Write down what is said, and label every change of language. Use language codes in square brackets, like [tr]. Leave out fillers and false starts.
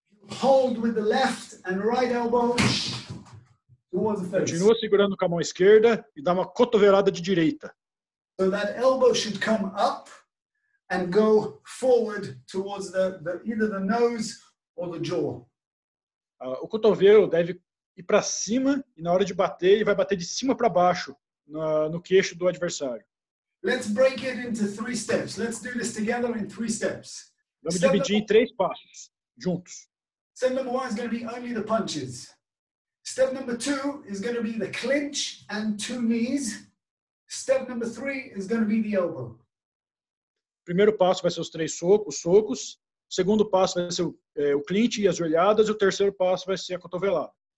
[en] Hold with the left and right elbow towards the face. [pt] Continua segurando com a mão esquerda e dá uma cotovelada de direita. [en] So that elbow should come up and go forward towards the either the nose or the jaw. [pt] O cotovelo deve ir para cima e na hora de bater, ele vai bater de cima para baixo no queixo do adversário. [en] Let's break it into three steps. Let's do this together in three steps. [pt] Vamos dividir em três passos, juntos. [en] Step number one is going to be only the punches. Step number two is going to be the clinch and two knees. Step number three is going to be the elbow. [pt] Primeiro passo vai ser os três socos. O segundo passo vai ser o clinch e as joelhadas. E o terceiro passo vai ser a cotovelada.